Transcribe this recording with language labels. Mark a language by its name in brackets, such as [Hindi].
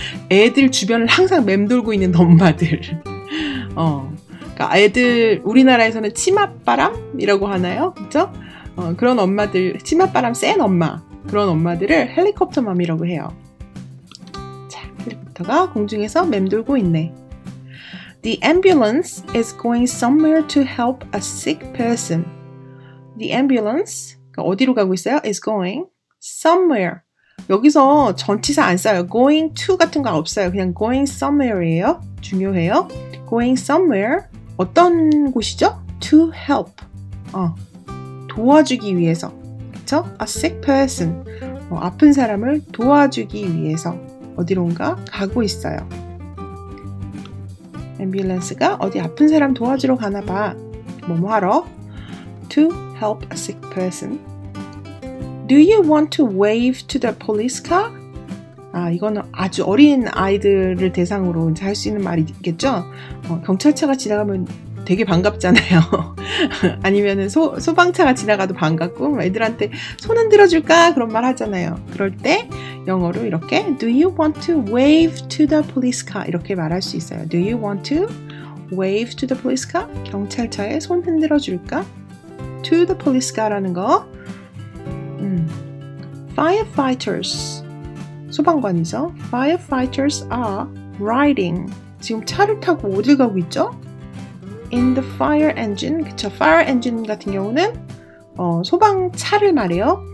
[Korean] 애들 주변을 항상 맴돌고 있는 엄마들. 그러니까 애들 우리나라에서는 치맛바람이라고 하나요? 그렇죠? 그런 엄마들, 치맛바람 센 엄마, 그런 엄마들을 헬리콥터 맘이라고 해요. 자, 헬리콥터가 공중에서 맴돌고 있네. [English] The ambulance is going somewhere to help a sick person. The ambulance, [Korean] 어디로 가고 있어요? [English] is going somewhere. [Korean] 여기서 전치사 안 써요. going to 같은 거 없어요. 그냥 going somewhere예요. 중요해요. going somewhere, 어떤 곳이죠? to help. 도와주기 위해서. 그렇죠? a sick person. 아픈 사람을 도와주기 위해서 어디론가 가고 있어요. 앰뷸런스가 어디 아픈 사람 도와주러 가나 봐. 뭐뭐 하러? [English] To help a sick person. Do you want to wave to the police car? [Korean] 아, 이거는 아주 어린 아이들을 대상으로 이제 할 수 있는 말이겠죠? 경찰차가 지나가면 되게 반갑잖아요. 아니면은 소방차가 지나가도 반갑고 애들한테 손은 들어줄까? 그런 말 하잖아요. 그럴 때 영어로 이렇게 [English] Do you want to wave to the police car? [Korean] 이렇게 말할 수 있어요. [English] Do you want to wave to the police car? [Korean] 경찰차에 손 흔들어 줄까? To the police car라는 거. [English] Firefighters. [Korean] 소방관이죠. [English] Firefighters are riding. [Korean] 지금 차를 타고 어딜 가고 있죠? [English] In the fire engine. [Korean] 그쵸. Fire engine 같은 경우는 소방차를 말해요.